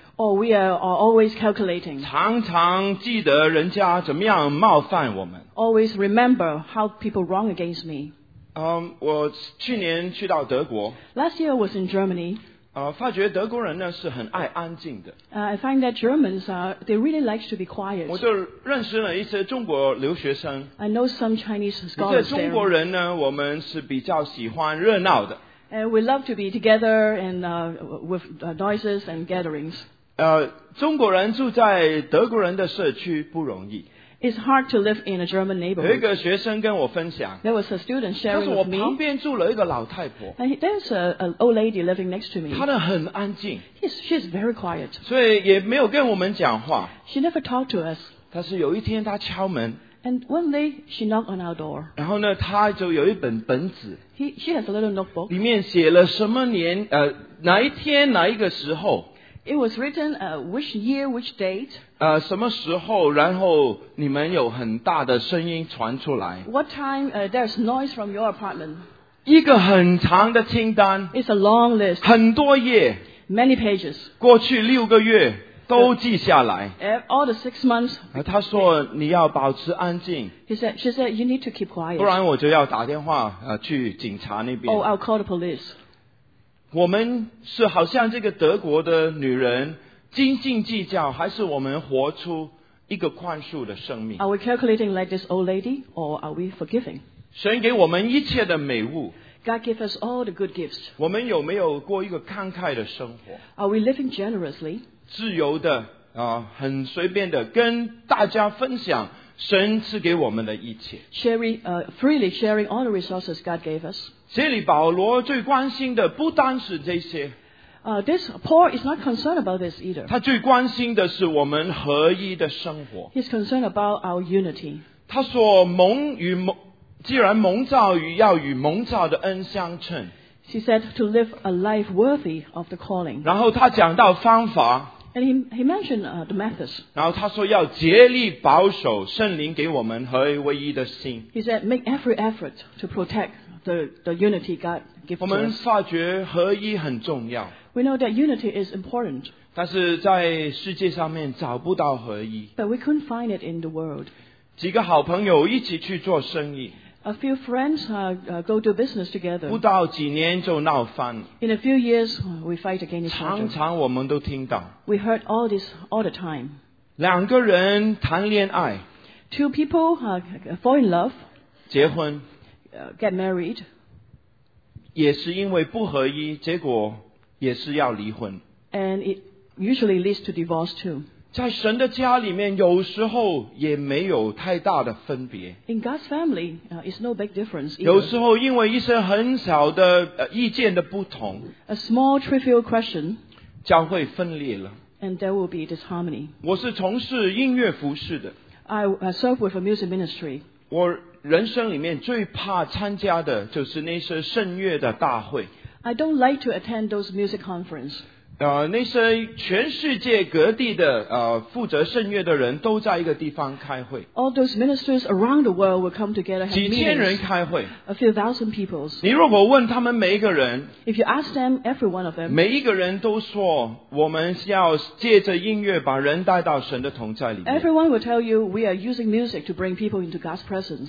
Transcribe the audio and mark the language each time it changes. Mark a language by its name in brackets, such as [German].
[English] Or we are always calculating. [Chinese] 常常记得人家怎么样冒犯我们。 [English] Always remember how people wrong against me. [Chinese] 我去年去到德国。 [English] Last year I was in Germany. [Chinese] 发觉德国人呢是很爱安静的。 [English] I find that Germans they really like to be quiet. [Chinese] 我就认识了一些中国留学生。 [English] I know some Chinese scholars there. [Chinese] 中国人呢，我们是比较喜欢热闹的。 [English] And we love to be together and with noises and gatherings. [Chinese] 中国人住在德国人的社区不容易。 [English] It's hard to live in a German neighborhood. [Chinese] 有一个学生跟我分享。 [English] There was a student sharing with me. [Chinese] 我旁边住了一个老太婆。 [English] And there's an old lady living next to me. [Chinese] 她的很安静。 [English] She's very quiet. [Chinese] 所以也没有跟我们讲话。 [English] She never talked to us. [Chinese] 但是有一天她敲门。 [English] And one day, she knocked on our door. [Chinese] 然后呢，他就有一本本子。 [English] She has a little notebook. [Chinese] 里面写了什么年，哪一天，哪一个时候。 [English] It was written, which year, which date. [Chinese] 什么时候，然后你们有很大的声音传出来。 [English] What time, there's noise from your apartment. [Chinese] 一个很长的清单。 [English] It's a long list. [Chinese] 很多页。 [English] Many pages. [Chinese] 过去六个月。都记下来。 [English] All the six months. [Chinese] 他说你要保持安静。 [English] She said you need to keep quiet. [Chinese] 不然我就要打电话去警察那边。 [English] Oh, I'll call the police. [Chinese] 我们是好像这个德国的女人斤斤计较，还是我们活出一个宽恕的生命 [English] ？Are we calculating like this old lady, or are we forgiving? [Chinese] 神给我们一切的美物。 [English] God give us all the good gifts. [Chinese] 我们有没有过一个慷慨的生活 [English] ？Are we living generously? [Chinese] 自由的很随便的跟大家分享神赐给我们的一切。 [English] Freely sharing all the resources God gave us. [Chinese] 这里保罗最关心的不单是这些。 [English] This Paul is not concerned about this either. [Chinese] 他最关心的是我们合一的生活。 [English] He's concerned about our unity. [Chinese] 他说蒙与蒙，既然蒙召与要与蒙召的恩相称。 [English] He said to live a life worthy of the calling. [Chinese] 然后他讲到方法。 [English] And he mentioned the methods. [Chinese] 然后他说要竭力保守圣灵给我们合一为一的心。 [English] He said make every effort to protect the unity God gives us. [Chinese] 我们发觉合一很重要。 [English] We know that unity is important. [Chinese] 但是在世界上面找不到合一。 [English] But we couldn't find it in the world. [Chinese] 几个好朋友一起去做生意。 [English] A few friends go to business together. [Chinese] 不到几年就闹翻。 [English] In a few years, we fight against each other. [Chinese] 常常我们都听到。 [English] We heard all this all the time. [Chinese] 两个人谈恋爱。 [English] Two people fall in love. [Chinese] 结婚。 [English] Get married. [Chinese] 也是因为不合一，结果也是要离婚。 [English] And it usually leads to divorce too. [Chinese] 在神的家里面，有时候也没有太大的分别。 [English] In God's family, it's no big difference either. [Chinese] 有时候因为一些很小的意见的不同。 [English] A small trivial question. [Chinese] 将会分裂了。 [English] And there will be disharmony. [Chinese] 我是从事音乐服事的。 [English] I serve with a music ministry. [Chinese] 我人生里面最怕参加的就是那些圣乐的大会。 [English] I don't like to attend those music conferences. [Chinese] 那些全世界各地的负责圣乐的人都在一个地方开会。 [English] All those ministers around the world will come together. [Chinese] 几千人开会。 [English] A few thousand people. [Chinese] 你如果问他们每一个人。 [English] If you ask them, every one of them. [Chinese] 每一个人都说我们要借着音乐把人带到神的同在里面。 [English] Everyone will tell you we are using music to bring people into God's presence.